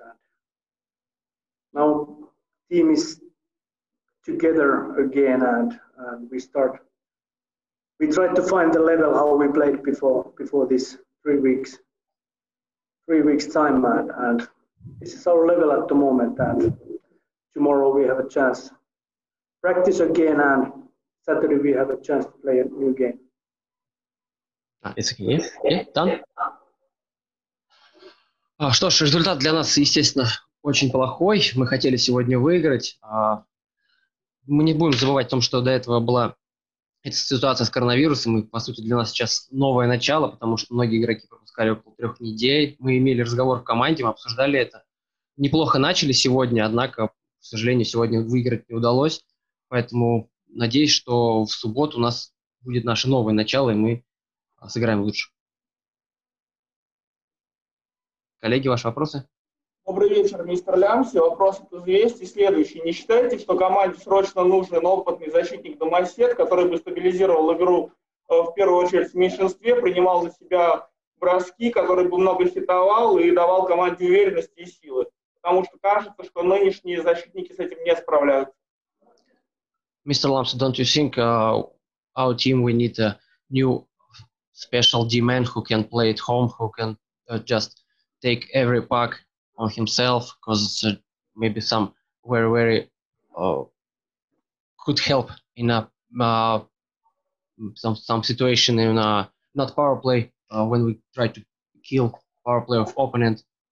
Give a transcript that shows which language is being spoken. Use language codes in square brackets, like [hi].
[en] And now team is together again, and we try to find the level how we played before this 3 weeks. 3 weeks time, man, and this is our level at the moment. And tomorrow we have a chance practice again, and Saturday we have a chance to play a new game. It's okay. Yeah, done. [ru] Что ж, результат для нас, естественно, очень плохой. Мы хотели сегодня выиграть. Мы не будем забывать о том, что до этого была эта ситуация с коронавирусом. И, по сути, для нас сейчас новое начало, потому что многие игроки пропускали около 3 недель. Мы имели разговор в команде, мы обсуждали это. Неплохо начали сегодня, однако, к сожалению, сегодня выиграть не удалось. Поэтому надеюсь, что в субботу у нас будет наше новое начало, и мы сыграем лучше. Коллеги, ваши вопросы? Добрый вечер, мистер Лямси. Вопрос тут есть и следующий. Не считаете, что команде срочно нужен опытный защитник Домосед, который бы стабилизировал игру в первую очередь в меньшинстве, принимал на себя броски, который бы много хитовал и давал команде уверенности и силы? Потому что кажется, что нынешние защитники с этим не справляются. [en] Мистер Лямси, don't you think our team we need a new special D-man who can play at home, who can just take every puck on himself, because maybe some very could help in a some situation in a not power play when we try to kill power play of opponent.